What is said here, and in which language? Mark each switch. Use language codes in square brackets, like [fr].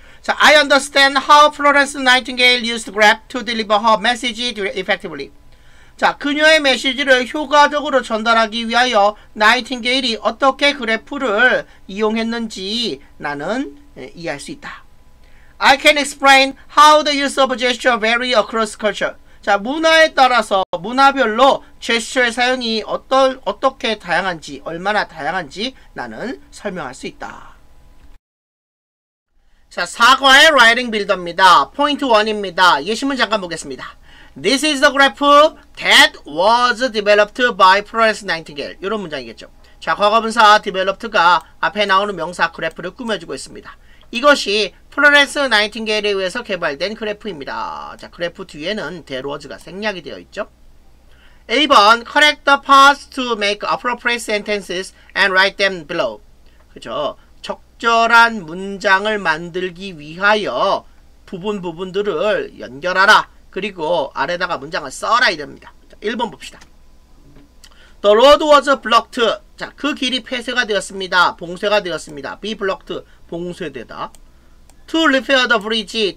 [en] 자, I understand how Florence Nightingale used grep to deliver her message effectively. [ko] 자, 그녀의 메시지를 효과적으로 전달하기 위하여 나이팅게일이 어떻게 그래프를 이용했는지 나는 이해할 수 있다. [en] I can explain how the use of gesture vary across culture. [ko] 자, 문화에 따라서 문화별로 제스처의 사용이 어떻게 다양한지, 얼마나 다양한지 나는 설명할 수 있다. 자, 사과의 라이팅 빌더입니다. 포인트 1입니다. 예시문 잠깐 보겠습니다. [en] This is the graph that was developed by Florence Nightingale. [ko] 이런 문장이겠죠. 자, 과거분사 developed가 앞에 나오는 명사 그래프를 꾸며주고 있습니다. 이것이 Florence Nightingale에 의해서 개발된 그래프입니다. 자, 그래프 뒤에는 that was가 생략이 되어 있죠. [en] A번, correct the parts to make appropriate sentences and write them below. [ko] 그죠? 적절한 문장을 만들기 위하여 부분 부분들을 연결하라. 그리고 아래다가 문장을 써라 이랍니다. 자, 1번 봅시다. [en] The road was blocked. [ko] 자, 그 길이 폐쇄가 되었습니다. 봉쇄가 되었습니다. [en] Be blocked. [ko] 봉쇄되다. [en] To repair the bridge.